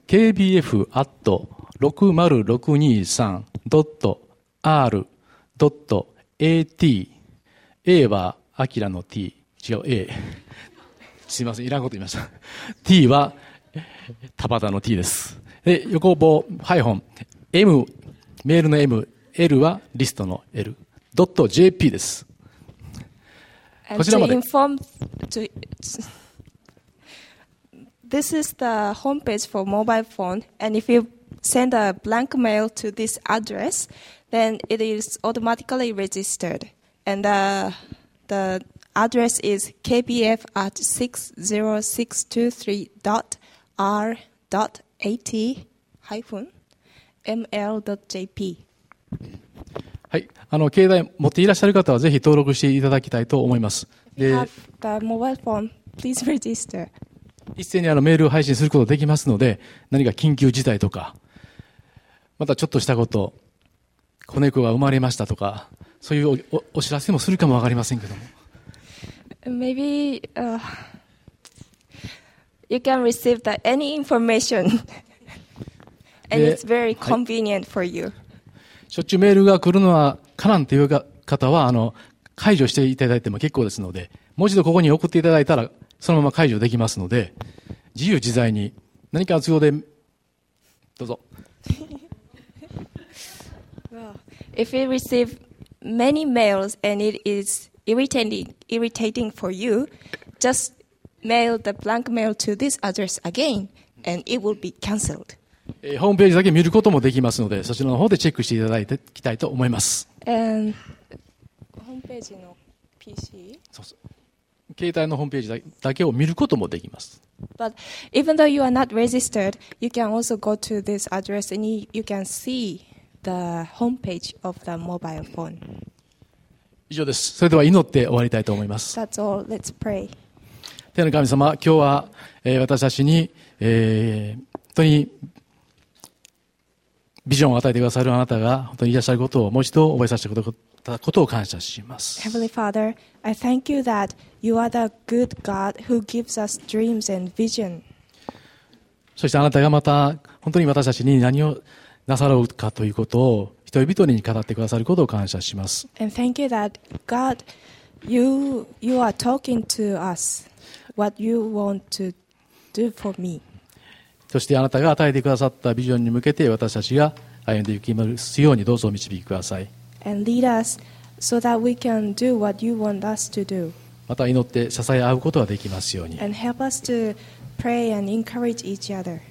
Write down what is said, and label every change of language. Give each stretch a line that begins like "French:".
Japanese: kbf@60623.r.at A はアキラの T 違う A すいませんいらんこと言いました。 T はタバタの T です。で横棒ハイホン M メールの M L はリストの L ドット JP です。こちらまで
English: inform to... This is the homepage for mobile phone and if you send a blank mail to this address then it is automatically registered and the address is kbf@60623.r.at-ml.jp。
Japanese: はい、携帯持っていらっしゃる方はぜひ登録していただきたいと思います。
English: If you have the mobile phone, please register.
Japanese: 一斉にメールを配信することができますので、何か緊急事態とか、またちょっとしたこと、子猫が生まれましたとか、そういう お知らせもするかもわかりませんけども。
English: Maybe, you can receive that any information. And it's very convenient for you.
Japanese: しょっちゅうメールが来るのはかなんという方は、解除していただいても結構ですので、もう一度ここに送っていただいたら、そのまま解除できますので、自由自在に、何か都合で、どうぞ。
English: Well, if you receive many mails and it is irritating for you, just mail the blank mail to this address again and it will be cancelled.
Japanese: ホームページだけ見ることもできますので、そちらの方でチェックしていただいていきたいと思います。
English: And
Japanese: ホームページの PC? そうそう。携帯のホームページだけを見ることもできます。
English: But even though you are not registered, you can also go to this address and you can see the homepage of the mobile phone.
Japanese: 以上です。それでは祈って終わりたいと思います。
English: That's all. Let's pray.
Japanese: 天の神様、今日は私たちに、本当にビジョンを与えてくださるあなたが本当にいらっしゃることをもう一度覚えさせてくださることを感謝します。
English: Heavenly Father, I thank you that you are the good God who gives us dreams and vision.
Japanese: そしてあなたがまた本当に私たちに何をなさろうかということを人々に語ってくださることを感謝します。
English: And thank you that God you are talking to us what you want to do for me。
Japanese: そしてあなたが与えてくださったビジョンに向けて私たちが歩んでいきますようにどうぞ導きください。
English: And lead us so that we can do what you want us to do。
Japanese: また祈って支え合うことができますように。
English: And help us toPray and encourage each other.